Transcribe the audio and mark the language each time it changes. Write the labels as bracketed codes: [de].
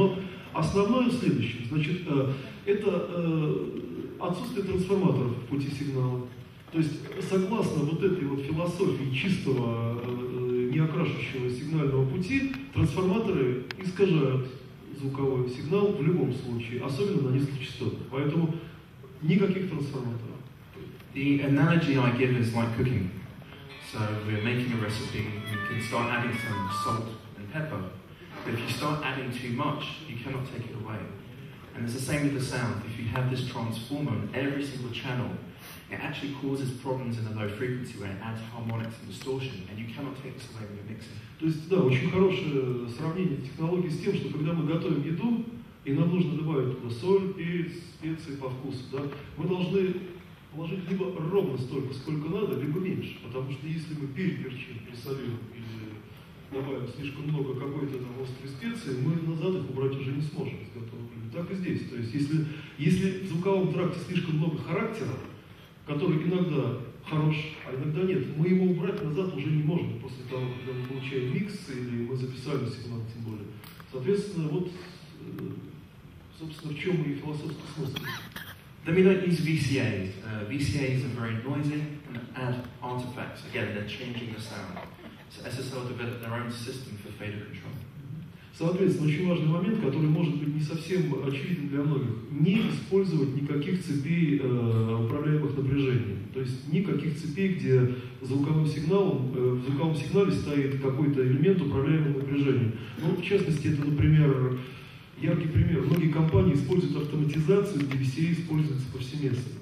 [ru] Но основное в следующем. Значит, это отсутствие трансформаторов в пути сигнала. То есть, согласно вот этой вот философии чистого, неокрашивающего сигнального пути, трансформаторы искажают звуковой сигнал в любом случае, особенно на низких частотах. Поэтому никаких трансформаторов. [en] The analogy I give is like cooking. So we're making a recipe, you can start adding some salt and pepper. But if you start adding too much, you cannot take it away. And it's the same with the sound. If you have this transformer on every single channel, it actually causes problems in the low frequency where it adds harmonics and distortion, and you cannot take this away when you're mixing. [ru] То есть, да, очень хорошее сравнение технологии с тем, что когда мы готовим еду, и нам нужно добавить туда соль, перец, специи по вкусу, да, мы должны положить либо ровно столько, сколько надо, либо меньше. Потому что если мы переперчим, пересолим или добавим слишком много какой-то там острой специи, мы назад их убрать уже не сможем из готового блюда. Так и здесь. То есть если в звуковом тракте слишком много характера, который иногда хорош, а иногда нет, мы его убрать назад уже не можем после того, когда мы получаем микс или мы записали сигнал, тем более. Соответственно, вот, собственно, в чем и философский смысл. [en] Then we don't use VCAs. VCAs are very noisy and add artifacts. Again, they're changing the sound. SSL developed their own system for failure control. [ru] Соответственно, очень важный момент, который может быть не совсем очевиден для многих. Не использовать никаких цепей управляемых напряжений. То есть никаких цепей, где звуковым сигналом, в звуковом сигнале стоит какой-то элемент управляемого напряжения. Ну, в частности, это, например, яркий пример. Многие компании используют автоматизацию, где все используются повсеместно.